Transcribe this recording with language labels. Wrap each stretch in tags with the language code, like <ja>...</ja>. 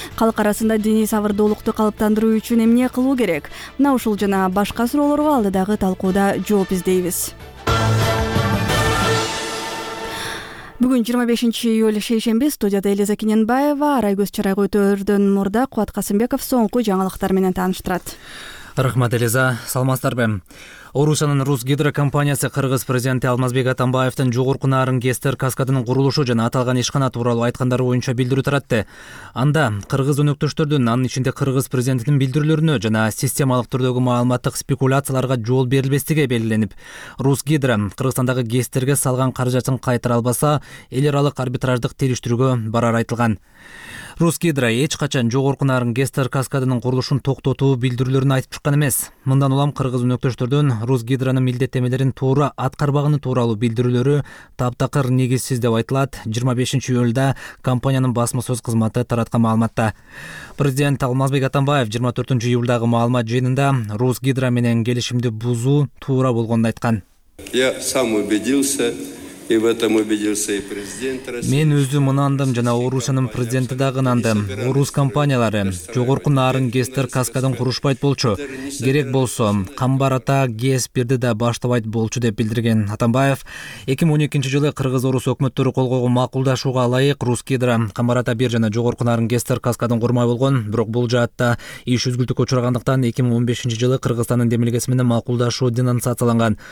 <ky>Калк арасында диний сабырдуулукту калыптандыруу үчүн эмне кылуу керек? Мына ушул жана башка суроолорго алдыдагы талкууда жооп издейбиз. Бүгүн 25-июль, шейшемби. Студияда Элиза Кененбаева, Арай Көз Чарай өтөрдөн мурда Кубат Касымбеков соңку жаңылыктар менен тааныштырат. Рахмат Элиза, саламатсыздарбы. Орусиянын Русгидро компаниясы кыргыз президенти Алмазбек Атамбаевдин жогорку нарын кестер каскадынын курулушу жана аталган ишкана тууралуу айткандары боюнча билдирүү таратты. Анда кыргыз өнөктөштөрдүн, анын ичинде кыргыз президентинин билдирүүлөрүнө жана системалык түрдөгү маалыматтык спекуляцияларга жол берилбестиги белгиленип, Русгидро Кыргызстандагы кестерге салган каражатын кайтара албаса, эл аралык арбитраждык териштирүүгө барары айтылган. Русгидро эч качан жогорку нарын кестер каскадынын курулушун токтотуу билдирүүлөрүн айтып чыккан эмес. Мындан улам кыргыз өнөктөштөрдүн Русгидронун милдеттемелерин туура аткарбаганы тууралуу билдирүүлөрү таптакыр негизсиз деп айтылат. 25-июлда компаниянын басма сөз кызматы тараткан маалыматта. Президент Алмазбек Атамбаев 24-июлдагы маалымат жыйынында Русгидро менен келишимди бузуу туура болгонун айткан.</ky> <ru>Я сам убедился. И в этом убедился и президент России.</ru> <ky>Мен өзүм ынандым жана Орусиянын президенти дагы ынандым. Орус компаниялары жогорку нарын кестер каскадын курушпайт болчу. Керек болсо, камбар ата ГЭС-1ди да баштабайт болчу деп билдирген Атамбаев 2012-жылы кыргыз орус өкмөттөрү кол койгон макулдашууга ылайык Русгидро камбар ата 1 жана жогорку нарын кестер каскадын курмай болгон, бирок бул жаатта иш үзгүлтүккө учурагандыктан 2015-жылы Кыргызстандын демилгеси менен макулдашуу денонсацияланган.</ky>